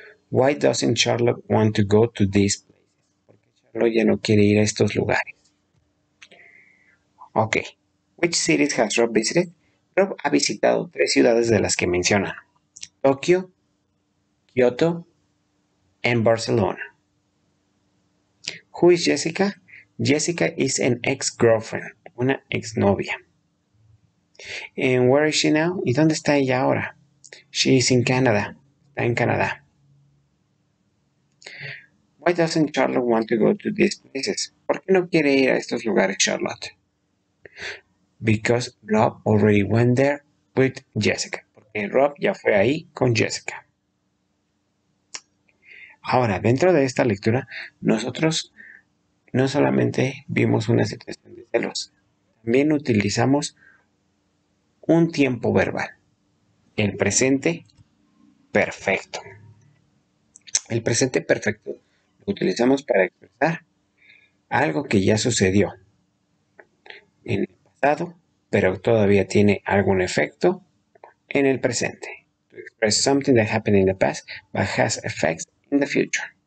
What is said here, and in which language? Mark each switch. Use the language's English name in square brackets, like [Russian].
[English] Why doesn't Charlotte want to go to these places? [Spanish] ¿Por qué Charlotte ya no quiere ir a estos lugares? Ok. [English] Which cities has Rob visited? [Spanish] Rob ha visitado tres ciudades de las que menciona. [English] Tokio, Kyoto, and Barcelona. Who is Jessica? Jessica is an ex-girlfriend, [Spanish] una exnovia. [English] And where is she now? [Spanish] ¿Y dónde está ella ahora? [English] She is in Canada. [Spanish] Está en Canadá. [English] Why doesn't Charlotte want to go to these places? [Spanish] ¿Por qué no quiere ir a estos lugares, Charlotte? [English] Because Rob already went there with Jessica. [Spanish] Rob ya fue ahí con Jessica. Ahora, dentro de esta lectura, nosotros no solamente vimos una situación de celos, también utilizamos un tiempo verbal, el presente perfecto. El presente perfecto lo utilizamos para expresar algo que ya sucedió en el pasado, pero todavía tiene algún efecto en el presente. [English] To express something that happened in the past but has effects in the future.